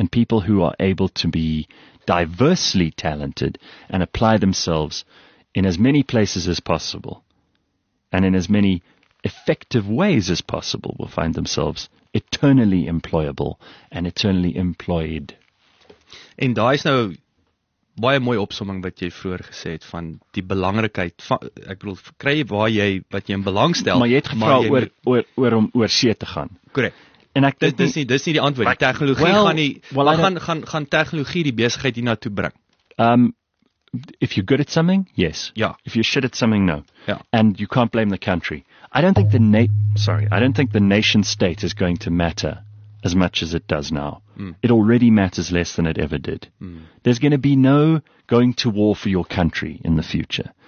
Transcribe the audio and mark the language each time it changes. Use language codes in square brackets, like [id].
[en] And people who are able to be diversely talented and apply themselves in as many places as possible and in as many effective ways as possible will find themselves eternally employable and eternally employed. [af] En daai is nou baie mooi opsomming wat jy vroeër gesê het van die belangrikheid van, ek bedoel, kry waar jy wat jy in belang stel. Maar jy het gevra oor om oor see te gaan. Korrek. En ek dink dis nie die antwoord. Die tegnologie gaan tegnologie die besigheid hier na toe bring. [en] If you're good at something, yes. Yeah. If you're shit at something, no. Yeah. And you can't blame the country. I don't think the nation state is going to matter as much as it does now. Mm. It already matters less than it ever did. Mm. There's going to be no going to war for your country in the future.